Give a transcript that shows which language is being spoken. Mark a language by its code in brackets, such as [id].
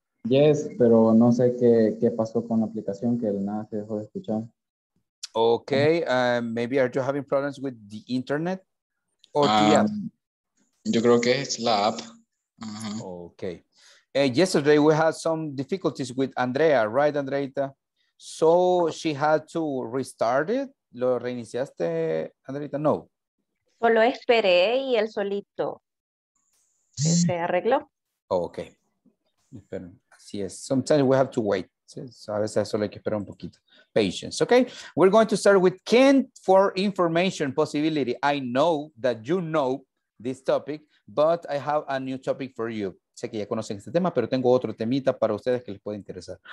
[es] Yes, pero no sé qué pasó con la aplicación, que nada se dejó de escuchar. [en] Okay, maybe are you having problems with the internet? Or the app? [es] Yo creo que es la app. Uh-huh. Okay. [en] Yesterday we had some difficulties with Andrea, right, Andreita? So she had to restart it? [es] ¿Lo reiniciaste, Andreita? No. Solo esperé y él solito. Se arregló. [en] Oh, okay. [es] Pero, así es. [en] Sometimes we have to wait. [es] A veces solo hay que esperar un poquito. [en] Patience. Okay. We're going to start with Kent for information possibility. I know that you know this topic, but I have a new topic for you. [es] Sé que ya conocen este tema, pero tengo otro temita para ustedes que les puede interesar.